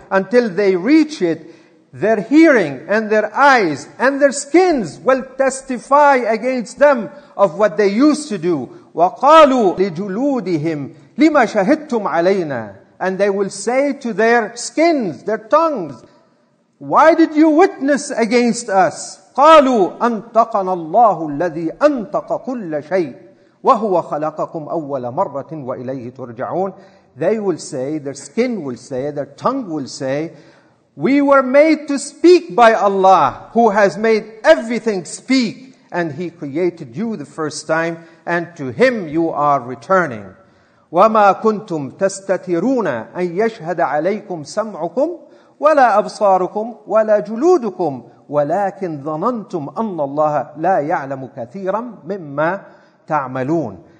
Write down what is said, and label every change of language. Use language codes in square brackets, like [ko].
[en] Until they reach it, their hearing and their eyes and their skins will testify against them of what they used to do. [ar] وَقَالُوا لِجُلُودِهِمْ لِمَا شَهِدْتُمْ عَلَيْنَا. [en] And they will say to their skins, their tongues, why did you witness against us? [ar] قالوا أنطقنا الله الذي أنطق كل شيء وهو خلقكم أول مرة وإليه ترجعون. [en] They will say, their skin will say, their tongue will say, we were made to speak by Allah who has made everything speak, and He created you the first time, and to Him you are returning. [ar] وَمَا كُنْتُمْ تَسْتَتِرُونَ أَنْ يَشْهَدَ عَلَيْكُمْ سَمْعُكُمْ وَلَا أَبْصَارُكُمْ وَلَا جُلُودُكُمْ وَلَكِنْ ظَنَنْتُمْ أَنَّ اللَّهَ لَا يَعْلَمُ كَثِيرًا مِمَّا تَعْمَلُونَ.